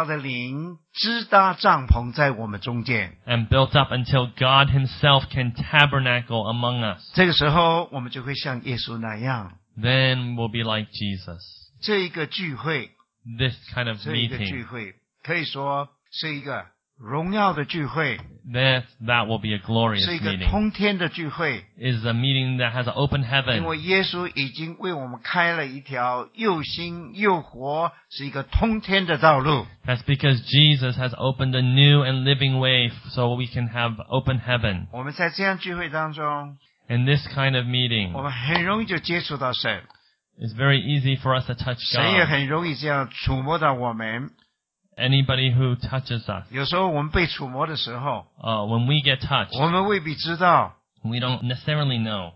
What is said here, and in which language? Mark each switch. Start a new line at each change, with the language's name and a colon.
Chinese: 直等到神可以借着他的灵支搭帐篷在我们中间。
English: And built up until God himself can tabernacle among us.
Chinese: 这个时候我们就会像耶稣那样。
English: Then we'll be like Jesus.
Chinese: 这一个聚会,
English: this kind of meeting.
Chinese: 可以说是一个荣耀的聚会,
English: that will be a glorious
Chinese: 是一个通天的聚会,
English: meeting.
Chinese: 通天的聚会,
English: is a meeting that has an open heaven.
Chinese: 因为耶稣已经为我们开了一条又新又活, 是一个通天的道路。
English: That's because Jesus has opened a new and living way so we can have open heaven.
Chinese: 我们在这样聚会当中,
English: in this kind of meeting, it's very easy for us to touch God. Anybody who touches us, when we get touched, we don't necessarily know.